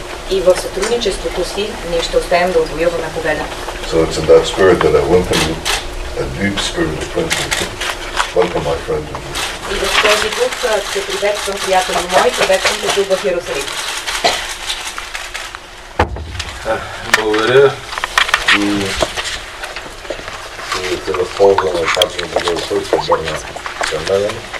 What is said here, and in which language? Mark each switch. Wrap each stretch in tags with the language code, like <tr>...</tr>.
<bg>И в сътрудничеството си ние ще успеем да отвоюваме победа.</bg> <en>So it's in that spirit that I welcome you, a deep spirit of friendship. Welcome my friend.</en> <bg>И в този дух се приветствам, приятели мои, приветствам те тук в Йерусалим. Благодаря и ще се възползвам от това, че ми бъде усърт, че бърна към мен.</bg>